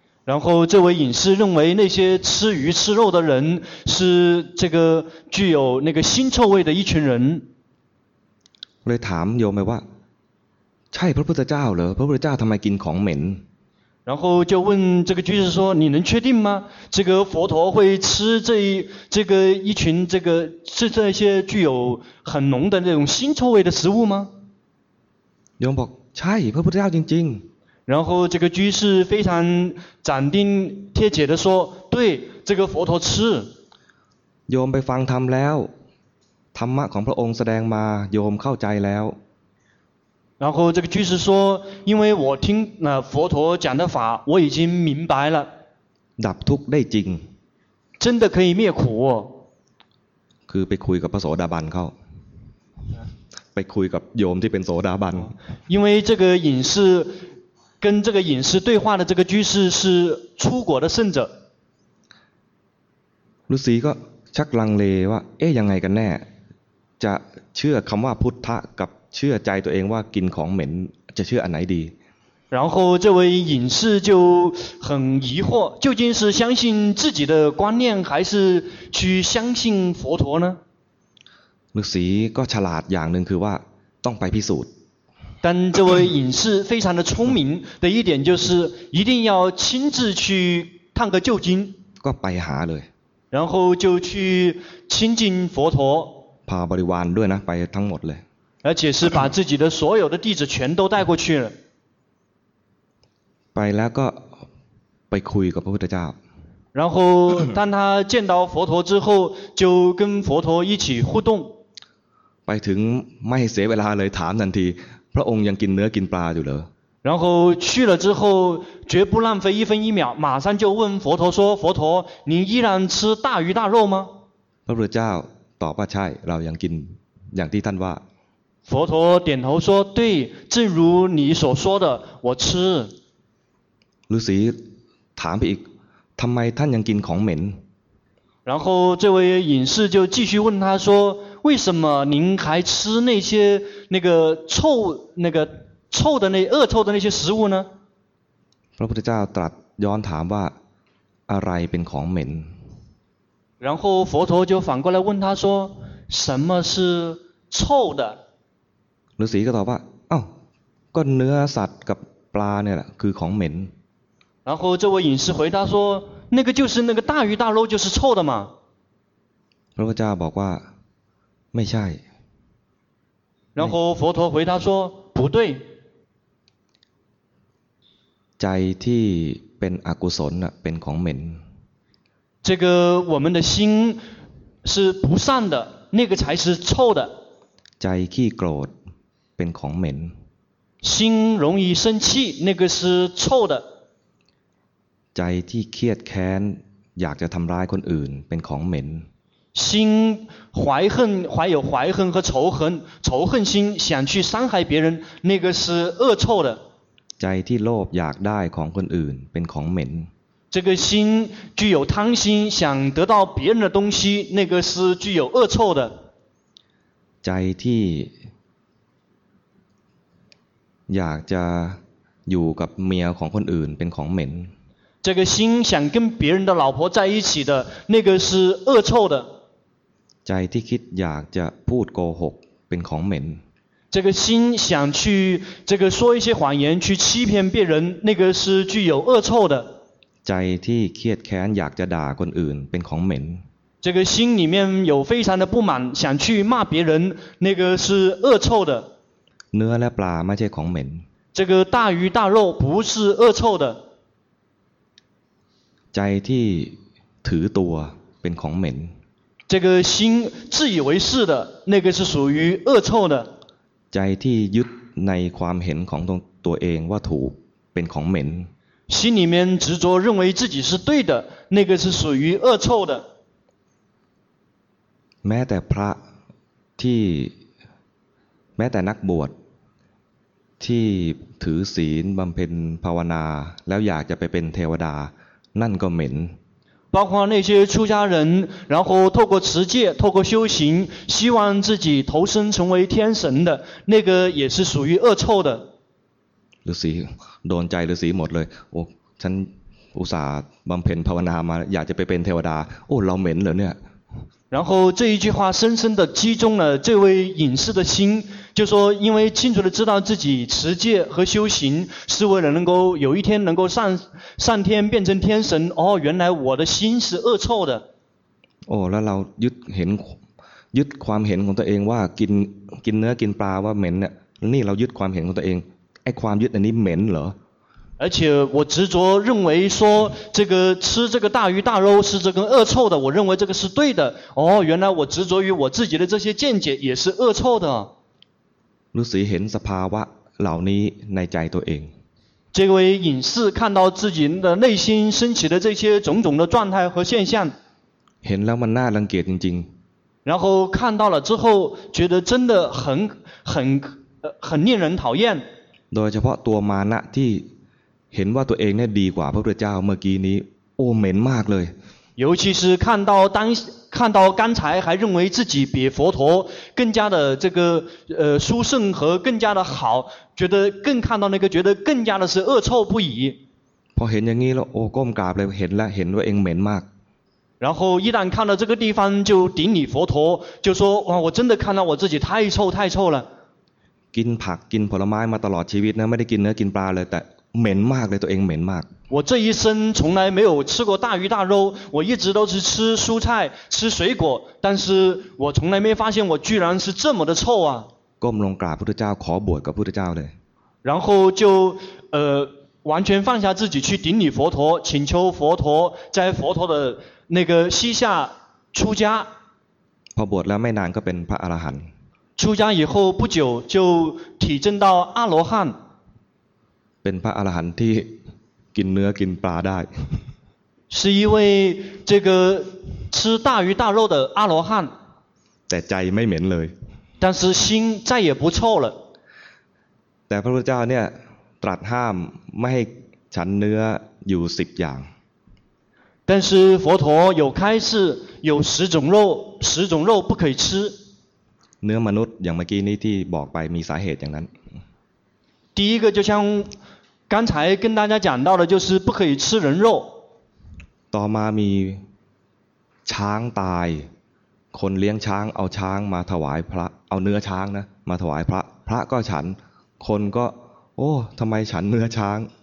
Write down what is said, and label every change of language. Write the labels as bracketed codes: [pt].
[zh] 然后这位隐士认为那些吃鱼吃肉的人是这个具有那个腥臭味的一群人 [th] เลยถามโยมว่าใช่พระพุทธเจ้าเหรอพระพุทธเจ้าทำไมกินของเหม็น [zh] 然后就问这个居士说你能确定吗这个佛陀会吃这个一群这个吃这些具有很浓的那种腥臭味的食物吗 [th] โยมบอกใช่พระพุทธเจ้าจริง [zh] ๆ然后这个居士非常斩钉截铁的说对这个佛陀吃 [th] โยมไปฟังธรรมแล้วธรรมะของพระองค์แสดงมาโยมเข้าใจแล้ว [zh] 然后这个居士说因为我听佛陀讲的法我已经明白了 [th] ดับทุกข์ได้จริง [zh] 真的可以灭苦 [th] คือไปคุยกับพระโสดาบันเข้าไปคุยกับโยมที่เป็นโสดาบัน [zh] 因为这个隐士跟这个隐士对话的这个居士是出国的圣者 [th] ฤาษีก็ชักลังเลว่าเอ๊ะยังไงกันแน่จะเชื่อคำว่าพุทธะกับเชื่อใจตัวเองว่ากินของเหม็นจะเชื่ออันไหนดี [zh] 然后这位隐士就很疑惑究竟是相信自己的观念还是去相信佛陀呢 [th] ฤาษีก็ฉลาดอย่างหนึ่งคือว่าต้องไปพิสูจน์ [zh] 但这位隐士非常的聪明的一点就是一定要亲自去探个究竟 [th] ก็ไปหาเลย [zh] 然后就去亲近佛陀 [th] พาบริวารด้วยนะไปทั้งหมดเลย [zh] 而且是把自己的所有的弟子全都带过去了 [th] ไปแล้วก็ไปคุยกับพระพุทธเจ้า [zh] 然后当他见到佛陀之后就跟佛陀一起互动 [th] ไปถึงไม่เสียเวลาเลยถามทันทีพระองค์ยังกินเนื้อกินปลาอยู่เหรอ [zh] 然后去了之后绝不浪费一分一秒马上就问佛陀说佛陀您依然吃大鱼大肉吗 [th] พระพุทธเจ้าตอบว่าใช่เรายังกินอย่างที่ท่านว่า [zh] 佛陀点头说对正如你所说的我吃 [th] ฤาษีถามไปอีกทำไมท่านยังกินของเหม็น [zh] 然后这位隐士就继续问他说为什么您还吃那些那个臭的那恶臭的那些食物呢 [th] พระพุทธเจ้าตรัสย้อนถามว่าอะไรเป็นของเหม็น [zh] 然后佛陀就反过来问他说什么是臭的 [th] ฤาษีก็ตอบว่าเอ้าก็เนื้อสัตว์กับปลาเนี่ยแหละคือของเหม็น [zh] 然后这位隐士回答说那个就是那个大鱼大肉就是臭的嘛 [th] พระพุทธเจ้าบอกว่าไม่ใช่ [zh] 然后佛陀回答说不对 [th] ใจที่เป็นอกุศลน่ะเป็นของเหม็น [zh] 这个我们的心是不善的那个才是臭的。 [th] ใจขี้โกรธเป็นของเหม็น。 [zh] 心容易生气，那个是臭的。 [th] ใจที่เครียดแค้นอยากจะทำร้ายคนอื่นเป็นของเหม็น。 [zh] 心怀恨，怀有怀恨和仇恨，仇恨心想去伤害别人，那个是恶臭的。 [th] ใจที่โลภอยากได้ของคนอื่นเป็นของเหม็น。 [zh] 这个心具有贪心，想得到别人的东西，那个是具有恶臭的。 [th] ใจที่อยากจะอยู่กับเมียของคนอื่นเป็นของเหม็น。 [zh] 这个心想跟别人的老婆在一起的，那个是恶臭的。 [th] ใจที่คิดอยากจะพูดโกหกเป็นของเหม็น。 [zh] 这个心想去这个说一些谎言去欺骗别人，那个是具有恶臭的。 [th] ใจที่เครียดแค้นอยากจะด่าคนอื่นเป็นของเหม็น。 [zh] 这个心里面有非常的不满，想去骂别人，那个是恶臭的。 [th] เนื้อและปลาไม่ใช่ของเหม็น。 [zh] 这个大鱼大肉不是恶臭的。 [th] ใจที่ถือตัวเป็นของเหม็น。 [zh] 这个心自以为是的，那个是属于恶臭的。 [th] ใจที่ยึดในความเห็นของตัวเองว่าถูกเป็นของเหม็น。 [zh] 心里面执着认为自己是对的，那个是属于恶臭的。 [th] แม้แต่พระที่แม้แต่นักบวชที่ถือศีลบำเพ็ญภาวนาแล้วอยากจะไปเป็นเทวดานั่นก็เหม็น。 [zh] 包括那些出家人，然后透过持戒、透过修行，希望自己投身成为天神的，那个也是属于恶臭的。 [th] ฤาษีโดนใจฤาษีหมดเลยโอ้ฉันอุตส่าห์บำเพ็ญภาวนามาอยากจะไปเป็นเทวดาโอ้เราเหม็นเหรอเนี่ย。 [zh] 然后这一句话深深的击中了这位隐士的心，就说因为清楚的知道自己持戒和修行是为了能够有一天能够上天变成天神，哦，原来我的心是恶臭的。哦，那老 [th] ยึดเห็นยึดความเห็นของตัวเองว่ากินกินเนื้อกินปลาว่าเหม็นเนี่ยนี่เรายึดความเห็นของตัวเองไอ้ความยึดอันนี้เหม็นเหรอ [zh] 而且我执着认为说这个吃这个大鱼大肉是这个恶臭的，我认为这个是对的。哦，原来我执着于我自己的这些见解也是恶臭的。 [th] ฤาษีเห็นสภาวะเหล่านี้ในใจตัวเอง。 [zh] 这位隐士看到自己的内心升起的这些种种的状态和现象。 [th] เห็นแล้วมันน่ารังเกียจจริง ๆ。 [zh] 然后看到了之后，觉得真的很令人讨厌。 [th] โดยเฉพาะตัวมานะที่เห็นว่าตัวเองเนี่ยดีกว่าพระพุทธเจ้าเมื่อกี้นี้โอ้เหม็นมากเลย [zh] 尤其是看到刚才还认为自己比佛陀更加的这个殊胜和更加的好，觉得更看到那个觉得更加的是恶臭不已。 [th] พอเห็นอย่างนี้แล้วโอ้ก้มกราบเลยเห็นแล้วเห็นว่าเองเหม็นมาก。 [zh] 然后一旦看到这个地方就顶礼佛陀，就说哇我真的看到我自己太臭太臭了。 [th] กินผักกินผลไม้มาตลอดชีวิตนะไม่ได้กินเนื้อกินปลาเลยแต่เหม็นมากเลยตัวเองเหม็นมาก [zh] 我这一生从来没有吃过大鱼大肉，我一直都是吃蔬菜吃水果，但是我从来没发现我居然是这么的臭啊。 [th] ก้มลงกราบพุทธเจ้าขอบวชกับพุทธเจ้าเลย。 [zh] 然后就完全放下自己去顶礼佛陀，请求佛陀在佛陀的那个膝下出家。 [th] พอบวชแล้วไม่นานก็เป็นพระอรหันต์。 [zh] 出家以后不久就体证到阿罗汉。 [th] เป็นพระอรหันต์ที่กินเนื้อกินปลาได้ [zh] 是一位这个吃大鱼大肉的阿罗汉 [th] แต่ใจไม่เหม็นเลย [zh] 但是心再也不臭了 [th] แต่พระพุทธเจ้าเนี่ยตรัสห้ามไม่ให้ฉันเนื้ออยู่สิบอย่าง [zh] 但是佛陀有开示有十种肉不可以吃 [th] เนื้อมนุษย์อย่างเมื่อกี้นี้ที่บอกไปมีสาเหตุอย่างนั้น [zh] 第一个就像刚才跟大家讲到的就是不可以吃人肉 [th] ต่อมามีช้างตายคนเลี้ยงช้างเอาช้างมาถวายพระเอาเนื้อช้างนะมาถวายพระพระก็ฉันคนก็โอ้ทำไมฉันเนื้อช้าง